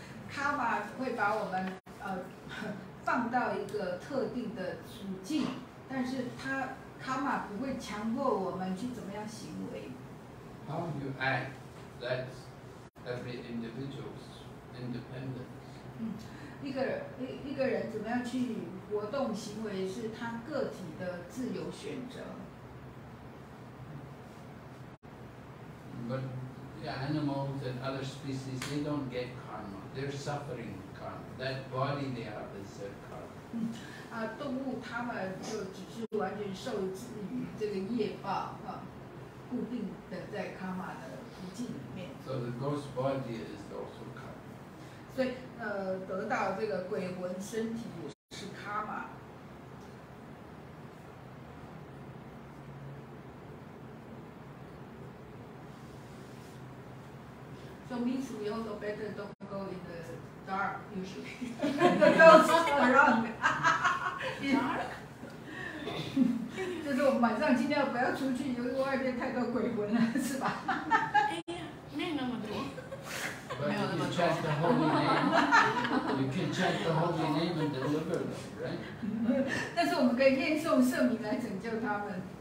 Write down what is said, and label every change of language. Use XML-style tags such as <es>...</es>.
<zh>Karma 会把我们放到一个特定的处境，但是它 karma 不会强迫我们去怎么样行为。</zh> <en>How you act, that's every individual's independence.</en> <zh>一个人怎么样去活动行为是他个体的自由选择。</zh> <en>But the animals and other species, they don't get karma. They're suffering karma. That body they have is their karma.</en> <zh>动物他们就只是完全受制于这个业报，固定的在 karma 的途径里面。</zh> <en>So the ghost body is also karma.</en> <zh>所以得到这个鬼魂身体也是 karma。</zh> <en>So means we also better don't go in the dark, usually. The ghosts around. Dark?</en> <zh>就是我们晚上尽量不要出去，因为外面太多鬼魂了，是吧？没有那么多。</zh> <en>But you can chant the holy name. You can chant the holy name and deliver them, right?</en> <zh>但是我们可以念诵圣名来拯救他们。</zh>